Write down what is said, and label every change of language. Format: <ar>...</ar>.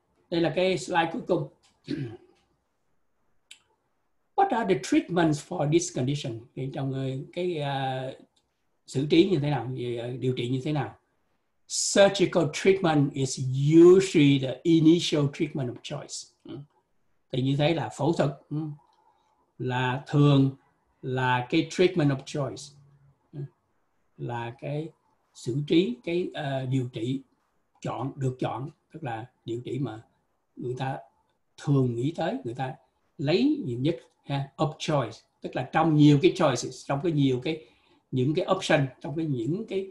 <vi>Đây là cái slide cuối cùng.</vi> <en>What are the treatments for this condition?</en> <vi>Thì trong cái xử trí như thế nào, điều trị như thế nào?</vi> <en>Surgical treatment is usually the initial treatment of choice.</en> <vi>Thì như thế là phẫu thuật là thường là cái treatment of choice, là cái xử trí, cái điều trị chọn, được chọn, tức là điều trị mà người ta thường nghĩ tới, người ta lấy nhiều nhất, ha, of choice, tức là trong nhiều cái choices, trong cái nhiều cái, những cái option, trong cái những</vi>